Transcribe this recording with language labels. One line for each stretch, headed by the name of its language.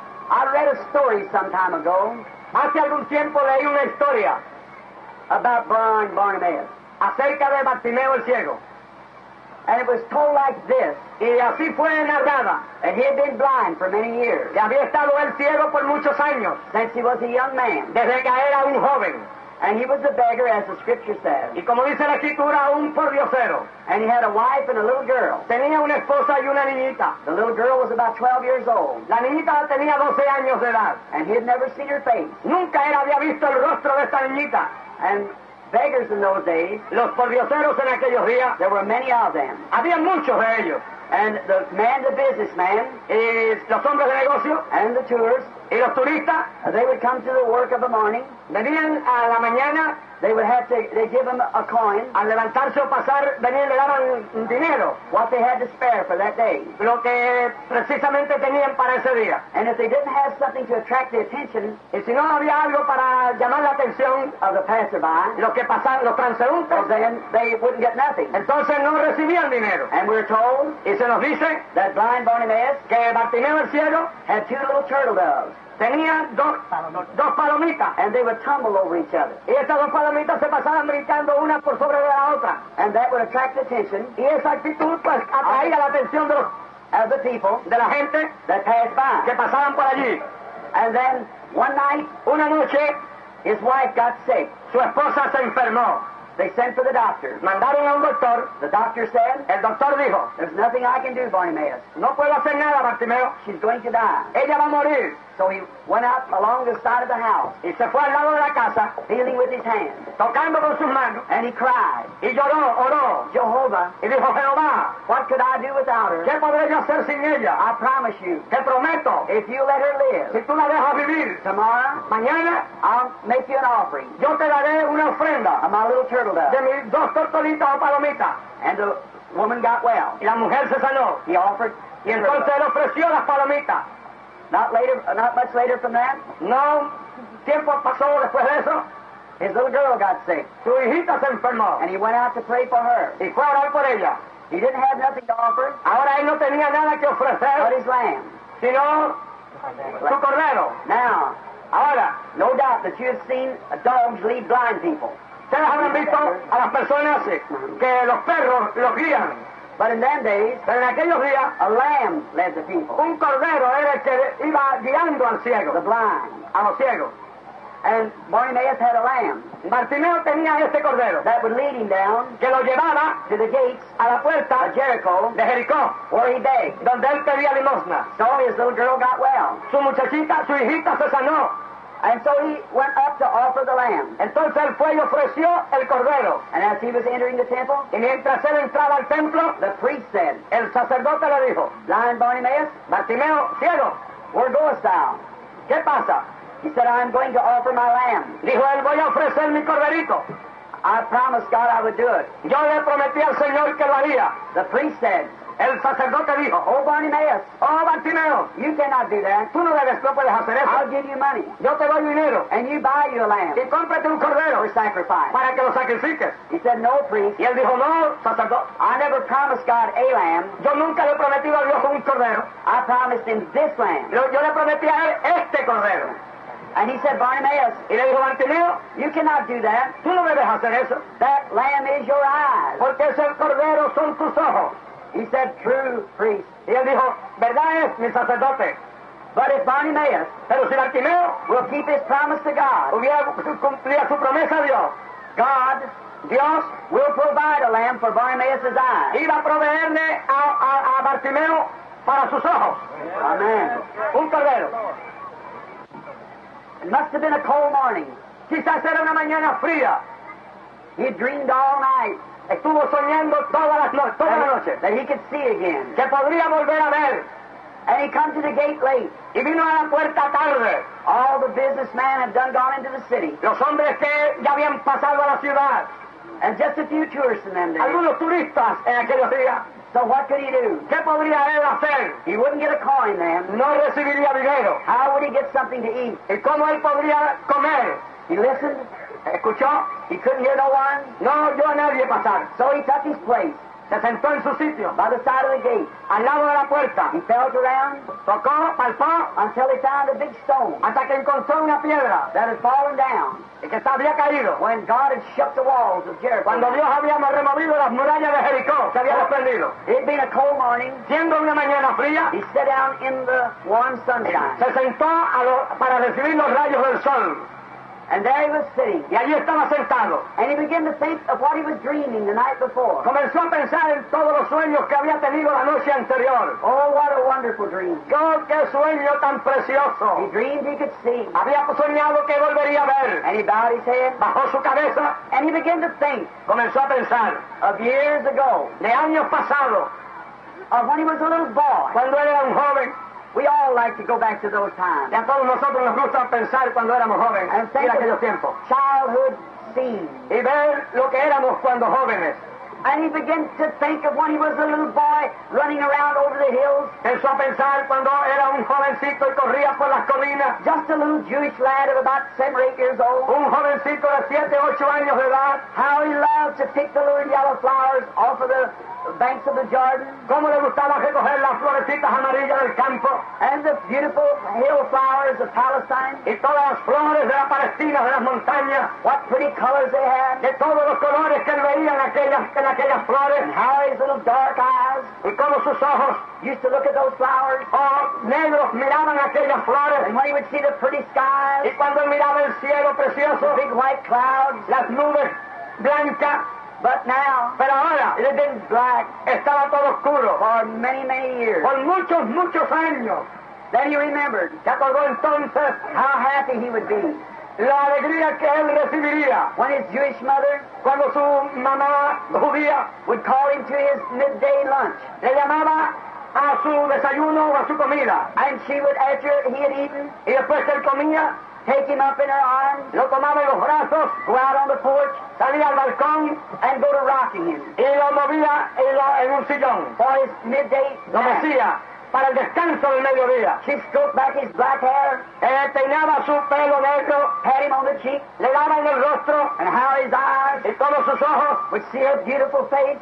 English: I read a story some time ago.
Spanish: Hace algún tiempo leí una historia
English: about blind Bartimaeus.
Spanish: Acerca de Bartimeo el ciego.
English: And it was told like this.
Spanish: Y así fue narrada.
English: And he had been blind for many years.
Spanish: Y había estado el ciego por muchos años.
English: Since he was a young man.
Spanish: Desde que era un joven.
English: And he was a beggar, as the scripture says.
Spanish: Y como dice la escritura, un pordiosero.
English: And he had a wife and a little girl.
Spanish: Tenía una esposa y una niñita.
English: The little girl was about 12 years old.
Spanish: La niñita tenía 12 años de edad.
English: And he had never seen her face.
Spanish: Nunca él había visto el rostro de esta niñita.
English: And beggars in those days.
Spanish: Los pordioseros en aquellos días.
English: There were many of them.
Spanish: Había muchos de ellos.
English: And the man, the businessman.
Spanish: Y los hombres de negocio.
English: And the tourists.
Spanish: Y los turistas,
English: they would come to the work of the morning.
Spanish: Venían a la mañana.
English: They would have to, they give them a coin.
Spanish: Al levantarse o pasar, venían, le daban dinero.
English: What they had to spare for that day.
Spanish: Lo que precisamente tenían para ese día.
English: And if they didn't have something to attract the attention,
Spanish: y si no había algo para llamar la atención,
English: of the passerby,
Spanish: los que pasaban, los transeúntes,
English: then they wouldn't get nothing.
Spanish: Entonces no recibían dinero.
English: And we're told,
Spanish: y se nos dice,
English: that blind Bartimaeus,
Spanish: que Bartimeo el ciego,
English: had two little turtle doves.
Spanish: Tenía dos palomitas.
English: And they would tumble over each other.
Spanish: Y estas dos palomitas se pasaban brincando una por sobre la otra.
English: And that would attract attention.
Spanish: Y esa actitud pues atraía la atención de los,
English: of the people,
Spanish: de la gente,
English: that passed by,
Spanish: que pasaban por allí.
English: And then one night,
Spanish: una noche,
English: his wife got sick.
Spanish: Su esposa se enfermó.
English: They sent for the doctor.
Spanish: Mandaron a un doctor.
English: The doctor said,
Spanish: el doctor dijo,
English: there's nothing I can do, Bartimaeus.
Spanish: No puedo hacer nada, Bartimeo.
English: She's going to die.
Spanish: Ella va a morir.
English: So he went out along the side of the house.
Spanish: Y se fue al lado de la casa.
English: Feeling with his hands.
Spanish: Tocando con sus manos.
English: And he cried.
Spanish: Y lloró, oró.
English: Jehovah.
Spanish: Y dijo, Jehová.
English: What could I do without her?
Spanish: ¿Qué podré yo hacer sin ella?
English: I promise you.
Spanish: Te prometo.
English: If you let her live.
Spanish: Si tú la dejas vivir.
English: Tomorrow.
Spanish: Mañana.
English: I'll make you an offering.
Spanish: Yo te daré una ofrenda.
English: Of my little turtle dove.
Spanish: De mis dos tortolitas o palomitas.
English: And the woman got well.
Spanish: Y la mujer se sanó.
English: He offered.
Spanish: Y entonces él ofreció las palomitas.
English: Not much later from that.
Spanish: No, tiempo pasó después de eso.
English: His little girl got sick.
Spanish: Su hijita se enfermó.
English: And he went out to pray for her.
Spanish: Y fue a orar por ella.
English: He didn't have nothing to offer.
Spanish: Ahora él no tenía nada que ofrecer.
English: But his lamb.
Spanish: Sino su cordero.
English: Now,
Spanish: ahora,
English: no doubt that you have seen dogs lead blind people.
Spanish: Ustedes habrán visto a las personas que los perros los guían.
English: But in them days,
Spanish: pero en aquellos días,
English: a lamb led the people.
Spanish: Un cordero era el que iba guiando al ciego.
English: The blind.
Spanish: A los ciegos.
English: And Bartimaeus had a lamb.
Spanish: Bartimeo tenía este cordero.
English: That would lead him down.
Spanish: Que lo llevaba
English: to the gates,
Spanish: a la puerta
English: of Jericho,
Spanish: de Jericó.
English: Where he begged.
Spanish: Donde él pedía limosna.
English: So his little girl got well.
Spanish: Su muchachita, su hijita se sanó.
English: And so he went up to offer the lamb.
Spanish: Entonces él fue y ofreció el cordero.
English: And as he was entering the temple,
Spanish: y mientras él entraba al templo,
English: the priest said,
Spanish: el sacerdote le dijo,
English: blind Bartimaeus,
Spanish: Bartimeo, ciego,
English: where goest thou?
Spanish: ¿Qué pasa?
English: He said, I'm going to offer my lamb.
Spanish: Dijo él, voy a ofrecer mi corderito.
English: I promised God I would do it.
Spanish: Yo le prometí al Señor que lo haría.
English: The priest said,
Spanish: el sacerdote dijo,
English: oh Bartimaeus,
Spanish: oh Bartimeo,
English: you cannot do that.
Spanish: Tú no debes, no puedes hacer eso.
English: I'll give you money.
Spanish: Yo te doy dinero.
English: And you buy your lamb.
Spanish: Y cómprate un cordero.
English: For sacrifice.
Spanish: Para que lo sacrifiques.
English: He said, no priest.
Spanish: Y él dijo, no sacerdote.
English: I never promised God a lamb.
Spanish: Yo nunca le prometí a Dios un cordero.
English: I promised him this lamb.
Spanish: Yo le prometí a él este cordero.
English: And he said, Bartimaeus,
Spanish: y le dijo, Bartimeo,
English: you cannot do that.
Spanish: Tú no debes hacer eso.
English: That lamb is your eyes.
Spanish: Porque ese cordero son tus ojos.
English: He said, true priest.
Spanish: Y él dijo, verdad es, mi sacerdote.
English: But if Bartimaeus,
Spanish: pero si Bartimeo,
English: will keep his promise to God,
Spanish: hubiera cumplido su promesa a Dios,
English: God,
Spanish: Dios,
English: will provide a lamb for Bartimaeus' eyes.
Spanish: Iba a proveerle a Bartimeo para sus ojos.
English: Amen.
Spanish: Un cordero.
English: It must have been a cold morning.
Spanish: Quizás era una mañana fría.
English: He dreamed all night.
Spanish: Estuvo soñando toda la noche.
English: That he could see again.
Spanish: Que podría volver a ver.
English: And he come to the gate late.
Spanish: Y vino a la puerta tarde.
English: All the businessmen had done gone into the city.
Spanish: Los hombres que ya habían pasado a la ciudad.
English: And just a few tourists in them days.
Spanish: Algunos turistas en aquellos días.
English: So what could he do?
Spanish: ¿Qué podría él hacer?
English: He wouldn't get a coin then.
Spanish: No recibiría dinero.
English: How would he get something to eat?
Spanish: ¿Y cómo él podría comer?
English: He listened.
Spanish: ¿Escuchó?
English: He couldn't hear no one.
Spanish: No oyó a nadie pasar.
English: So he took his place.
Spanish: Se sentó en su sitio.
English: By the side of the gate.
Spanish: Al lado de la puerta.
English: He felt around.
Spanish: Tocó, palpó.
English: Until he found a big stone.
Spanish: Hasta que encontró una piedra.
English: That had fallen down.
Spanish: Y que había caído.
English: When God had shut the walls of Jericho.
Spanish: Cuando Dios había removido las murallas de Jericó. Se había desprendido.
English: It being a cold morning.
Spanish: Siendo una mañana fría.
English: He sat down in the warm sunshine.
Spanish: Se sentó para recibir los rayos del sol.
English: And there he was sitting.
Spanish: Y allí estaba sentado.
English: And he began to think of what he was dreaming the night before.
Spanish: Comenzó a pensar en todos los sueños que había tenido la noche anterior.
English: Oh, what a wonderful dream.
Spanish: God, qué sueño tan precioso.
English: He dreamed he could see.
Spanish: Había soñado que volvería a ver.
English: And he bowed his head.
Spanish: Bajó su cabeza.
English: And he began to think.
Spanish: Comenzó a pensar.
English: Of years ago.
Spanish: De años pasados.
English: Of when he was a little boy.
Spanish: Cuando él era un joven.
English: We all like to go back to those times.
Spanish: Y a todos nosotros nos gusta pensar cuando éramos jóvenes.
English: And think
Spanish: y aquellos tiempos.
English: Childhood scene.
Spanish: Y ver lo que éramos cuando jóvenes.
English: And he began to think of when he was a little boy running around over the hills.
Spanish: Empezó a pensar cuando era un jovencito y corría por las colinas.
English: Just a little Jewish lad of about 7 or 8 years old.
Spanish: Un jovencito de 7 o 8 años de edad.
English: How he loved to pick the little yellow flowers off of the banks of the Jordan.
Spanish: Cómo le gustaba recoger las florecitas amarillas del campo.
English: And the beautiful hill flowers of Palestine.
Spanish: Y todas las flores de la Palestina, de las montañas.
English: What pretty colors they had.
Spanish: De todos los colores que veían aquellas flores.
English: And how his little dark eyes.
Spanish: Y cómo sus ojos.
English: Used to look at those flowers.
Spanish: Oh, negros miraban aquellas flores.
English: And when he would see the pretty skies.
Spanish: Y cuando miraba el cielo precioso.
English: The big white clouds.
Spanish: Las nubes blancas.
English: But now,
Spanish: pero ahora,
English: it had been black.
Spanish: Estaba todo oscuro.
English: For many, many years.
Spanish: Por muchos, muchos años.
English: Then he remembered.
Spanish: Se acordó entonces.
English: How happy he would be.
Spanish: La alegría que él recibiría.
English: When his Jewish mother,
Spanish: cuando su mamá judía,
English: would call him to his midday lunch.
Spanish: Le llamaba a su desayuno o a su comida.
English: And she would, after he had eaten,
Spanish: y después él comía,
English: take him up in her arms,
Spanish: lo tomaba en los brazos,
English: go out on the porch,
Spanish: salía al balcón,
English: and go to rocking him,
Spanish: y lo movía en un sillón,
English: for his midday
Spanish: lo mecía para el descanso del mediodía.
English: She stroked back his black hair,
Spanish: peinaba su pelo negro,
English: pat him on the cheek,
Spanish: le daba en el rostro,
English: and how his eyes,
Spanish: y todos sus ojos,
English: would see her beautiful face,